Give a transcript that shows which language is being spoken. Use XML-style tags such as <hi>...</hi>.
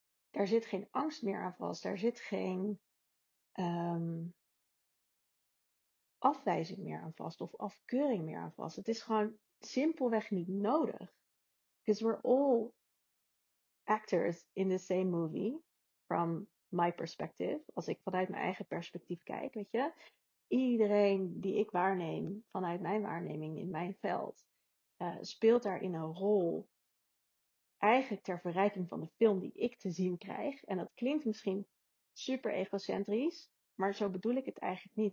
<nl>Daar zit geen angst meer aan vast. Daar zit geen afwijzing meer aan vast. Of afkeuring meer aan vast. Het is gewoon simpelweg niet nodig.</nl> <en>Because we're all actors in the same movie. From my perspective.</en> <nl>Als ik vanuit mijn eigen perspectief kijk, weet je. Iedereen die ik waarneem vanuit mijn waarneming in mijn veld, speelt daarin een rol eigenlijk ter verrijking van de film die ik te zien krijg. En dat klinkt misschien super egocentrisch, maar zo bedoel ik het eigenlijk niet.</nl>